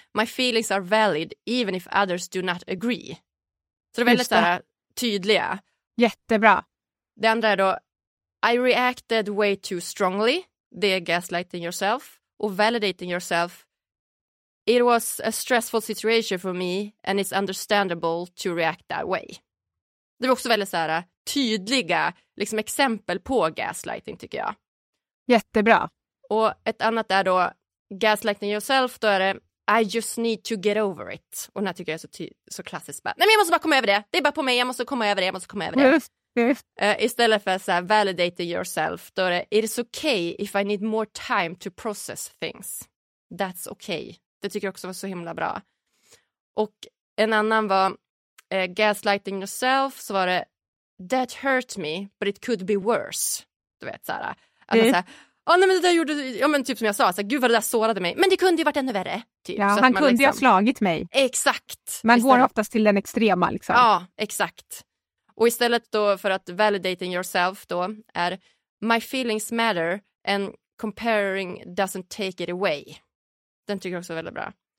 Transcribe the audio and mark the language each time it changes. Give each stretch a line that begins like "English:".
English: My feelings are valid even if others do not agree.
Swedish: Så det är väldigt så här tydliga. Jättebra. Det andra är då
English: I reacted way too strongly.
Swedish: Det är
English: gaslighting yourself.
Swedish: Och
English: validating yourself. It was a stressful situation for me and it's understandable to react that way.
Swedish: Det var också väldigt så här tydliga liksom exempel på gaslighting tycker jag. Jättebra. Och ett annat är då gaslighting yourself, då är det
English: I just need to get over it.
Swedish: Och den här tycker jag är så klassiskt. Nej, men jag måste bara komma över det. Det är bara på mig. Jag måste komma över det. Istället för så här,
English: validate yourself.
Swedish: Då är det,
English: it is okay if I need more time to process things. That's okay.
Swedish: Det tycker jag också var så himla bra. Och en annan var
English: gaslighting yourself.
Swedish: Så var det,
English: that hurt me, but it could be worse.
Swedish: Du vet, så här. Alltså, ja, nej, men det där gjorde, ja, men typ som jag sa, så här, gud vad det där sårade mig. Men det kunde ju varit ännu värre. Typ, ja, han kunde liksom ju ha slagit mig. Exakt. Man istället går oftast till den extrema liksom. Ja, exakt. Och istället då för att
English: validating yourself
Swedish: då är
English: my feelings matter and comparing doesn't take it away.
Swedish: Den tycker jag också är väldigt bra.